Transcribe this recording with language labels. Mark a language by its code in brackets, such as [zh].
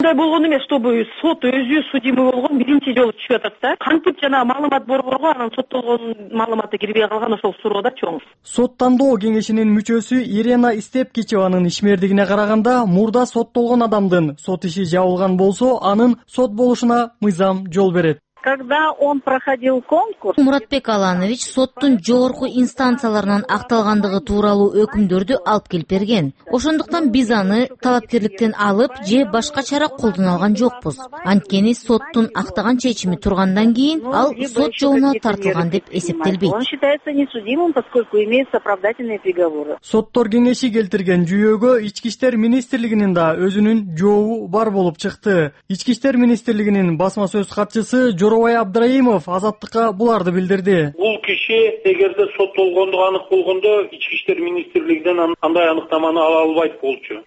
[ky] Мындай болгон эмес, [ru] чтобы [ky] сот өзү судимы болгон 1-жолу түшүп атат да. Кантип жана маалымат борборго анын соттолгон маалыматы кирбей калган, ошол суроо да чоң. Сот тандоо кеңешинин мүчөсү Ирена Истепкичеванын ишмердигине караганда, мурда соттолгон адамдын сот иши жабылган болсо, анын сот болушуна мыйзам жол берет. [ru] Когда он проходил конкурс, [ky] Муратбек Аланович соттун жогорку инстанцияларынан акталгандыгы тууралуу өкүмдөрдү алып келип берген. Ошондуктан биз аны талапкерликтен алып же башка чара колдоно алган жокпуз. Анткени соттун актаган чечими тургандан кийин ал сот жолуна тартылган деп эсептелбейт. [ru] Он считается несудимым, поскольку имеются оправдательные приговоры. [ky] Соттор кеңеши келтирген жүйөгө Ички иштер министрлигинин да өзүнүн жообу бар болуп чыкты. Ички иштер министрлигинин басма сөз катчысы Жоробай Абдраимов азаттыкка буларды билдирди. Бул киши эгерде соттолгондугу анык болгондо Ички иштер министрлигинен андай аныктаманы ала албайт болчу.